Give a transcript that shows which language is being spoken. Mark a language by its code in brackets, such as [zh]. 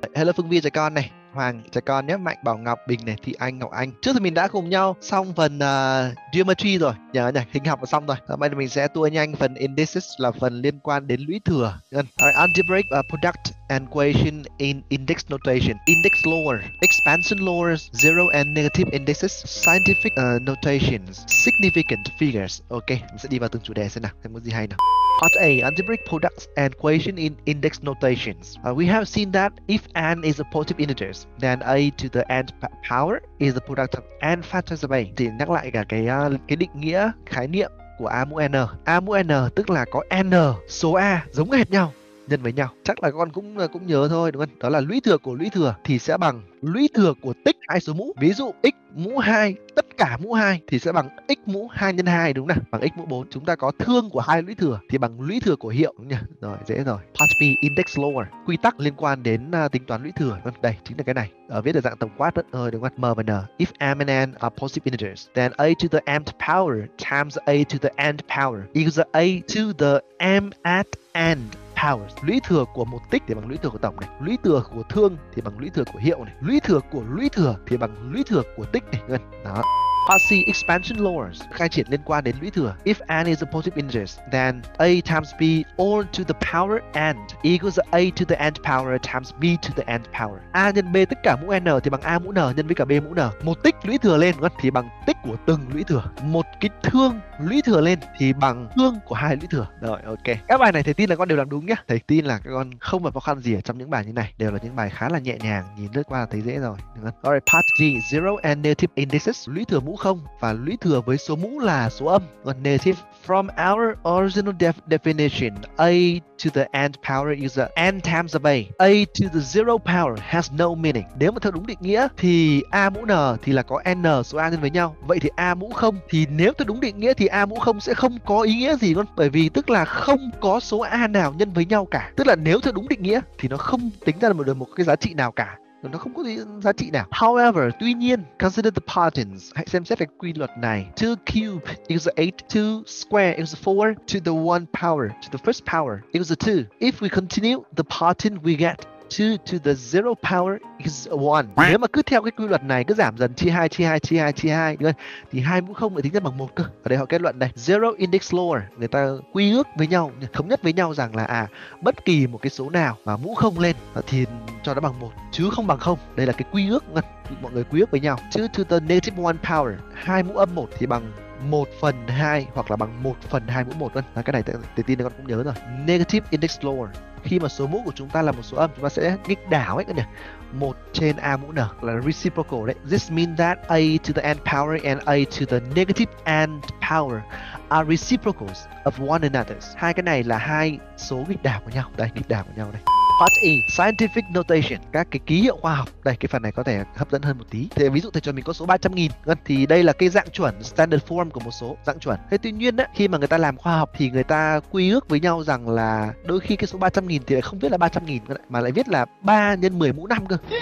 [vi] Hello, Phương Vi chào con này. Hoàng chào con nhé. Mạnh, Bảo Ngọc, Bình này, Thị Anh, Ngọc Anh. Trước thì mình đã cùng nhau xong phần geometry rồi. Nhớ nhỉ, hình học xong rồi. Hôm nay mình sẽ tua nhanh phần indices là phần liên quan đến lũy thừa. [en] Alright, algebraic product and equation in index notation. Index lower, expansion lower, zero and negative indices, scientific notations, significant figures. [vi] Ok, mình sẽ đi vào từng chủ đề xem nào, xem có gì hay nào. [en] Part A, algebraic products and equation in index notations. We have seen that if n is a positive integer, then a to the n power is the product of n factors of a. [vi] Thì nhắc lại cả cái định nghĩa, khái niệm của a mũ n. A mũ n tức là có n số a giống hệt nhau nhân với nhau. Chắc là con cũng nhớ thôi đúng không? Đó là lũy thừa của lũy thừa thì sẽ bằng lũy thừa của tích hai số mũ. Ví dụ x mũ 2 tất cả mũ 2 thì sẽ bằng x mũ 2 nhân 2 đúng không nào? Bằng x mũ 4. Chúng ta có thương của hai lũy thừa thì bằng lũy thừa của hiệu đúng không nhỉ? Rồi, dễ rồi. [en] Part B, index lower. [vi] Quy tắc liên quan đến tính toán lũy thừa. Đây chính là cái này. Viết ở dạng tổng quát đó. Thôi đúng không? M và N. [en] If m and n are positive integers, then a to the mth power times a to the nth power equals a to the m at n. Powers. [vi] Lũy thừa của một tích thì bằng lũy thừa của tổng này. Lũy thừa của thương thì bằng lũy thừa của hiệu này. Lũy thừa của lũy thừa thì bằng lũy thừa của tích này. Đó. [en] Part C, expansion lowers. [vi] Khai triển liên quan đến lũy thừa. [en] If n is a positive integer, then a times b all to the power n equals a to the nth power times b to the nth power. [vi] A nhân b tất cả mũ n thì bằng a mũ n nhân với cả b mũ n. Một tích lũy thừa lên thì bằng tích của từng lũy thừa. Một cái thương lũy thừa lên thì bằng thương của hai lũy thừa. Rồi, ok. Các bài này thầy tin là con đều làm đúng nhá. Thầy tin là các con không phải khó khăn gì ở trong những bài như này. Đều là những bài khá là nhẹ nhàng, nhìn lướt qua là thấy dễ rồi. Đúng không? [en] Alright, part D, zero and negative indices. [vi] Lũy thừa mũ không và lũy thừa với số mũ là số âm. Còn negative. [en] From our original definition, a to the nth power is n times of a. A to the zero power has no meaning. [vi] Nếu mà theo đúng định nghĩa thì a mũ n thì là có n số a nhân với nhau. Vậy thì a mũ không thì nếu theo đúng định nghĩa thì a mũ không sẽ không có ý nghĩa gì luôn. Bởi vì tức là không có số a nào nhân với nhau cả. Tức là nếu theo đúng định nghĩa thì nó không tính ra được một cái giá trị nào cả. Nó không có giá trị nào. [en] However, [vi] tuy nhiên, [en] consider the patterns. [vi] Hãy xem xét cái quy luật này. [en] 2 cube equals 8, 2 square equals 4, to the 1 power, to the first power equals 2. If we continue the pattern, we get 2 to the 0 power is 1. [vi] Nếu mà cứ theo cái quy luật này, cứ giảm dần, chia 2, chia 2, chia 2, chia 2, thì 2 mũ 0 lại tính ra bằng 1 cơ. Ở đây họ kết luận đây. [en] 0 index lower. [vi] Người ta quy ước với nhau, thống nhất với nhau rằng là bất kỳ một cái số nào mà mũ 0 lên thì cho nó bằng 1, chứ không bằng 0. Đây là cái quy ước, mọi người quy ước với nhau. [en] 2 to the negative 1 power. [vi] 2 mũ âm 1 thì bằng 1 phần 2 hoặc là bằng 1 phần 2 mũ 1. Cái này tự tin là con cũng nhớ rồi. [en] Negative index lower. [vi] Khi mà số mũ của chúng ta là một số âm, chúng ta sẽ nghịch đảo ấy các nhỉ. 1 trên a mũ n là reciprocal đấy. [en] This means that a to the n power and a to the negative n power are reciprocals of one another. [vi] Hai cái này là hai số nghịch đảo của nhau. Đây, nghịch đảo của nhau đây. [en] Part E, scientific notation, [vi] các cái ký hiệu khoa học. Đây, cái phần này có thể hấp dẫn hơn một tí. Thì ví dụ thầy cho mình có số 300.000, thì đây là cái dạng chuẩn, [en] standard form [vi] của một số, dạng chuẩn. Thế tuy nhiên, khi mà người ta làm khoa học thì người ta quy ước với nhau rằng là đôi khi cái số 300.000 thì lại không viết là 300.000, mà lại viết là 3 nhân 10 mũ 5 cơ.